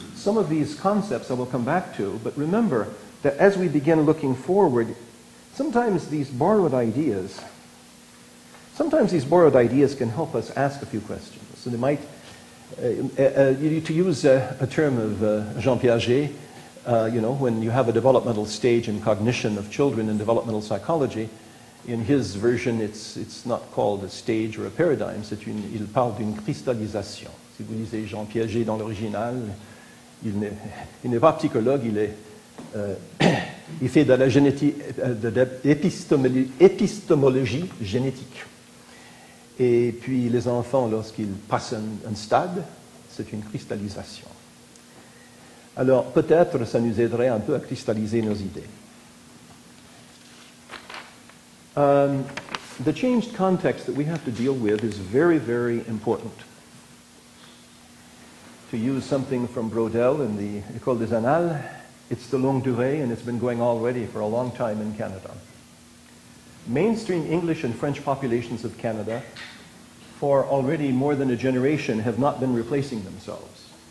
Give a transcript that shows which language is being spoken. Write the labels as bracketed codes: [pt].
[en] Some of these concepts I will come back to, but remember that as we begin looking forward, sometimes these borrowed ideas can help us ask a few questions. And it might, to use a term of Jean Piaget, when you have a developmental stage in cognition of children in developmental psychology, in his version, it's not called a stage or a paradigm. [fr] Il parle d'une cristallisation. Si vous lisez Jean Piaget dans l'original, il n'est pas psychologue. Il fait de la génétique, de l'épistémologie génétique. Et puis les enfants, lorsqu'ils passent un stade, c'est une cristallisation. Alors peut-être ça nous aiderait un peu à cristalliser nos idées. [en] The changed context that we have to deal with is very, very important. To use something from Brodel in the École des Annales, it's the longue durée, and it's been going already for a long time in Canada. Mainstream English and French populations of Canada, for already more than a generation, have not been replacing themselves.